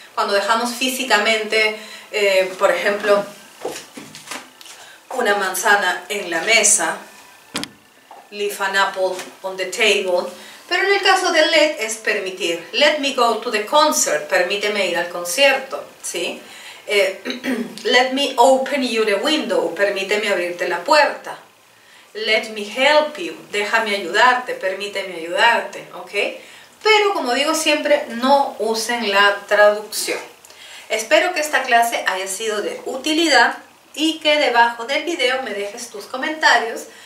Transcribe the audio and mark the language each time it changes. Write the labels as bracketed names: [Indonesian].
[Spanish] Cuando dejamos físicamente, por ejemplo, una manzana en la mesa, [English] leave an apple on the table. [Spanish] Pero en el caso de let es permitir. [English] Let me go to the concert. [Spanish] Permíteme ir al concierto, ¿sí? [English] Let me open you the window. [Spanish] Permíteme abrirte la puerta. [English] Let me help you. [Spanish] Déjame ayudarte. Permíteme ayudarte, ¿ok? Pero como digo siempre, no usen la traducción. Espero que esta clase haya sido de utilidad y que debajo del video me dejes tus comentarios.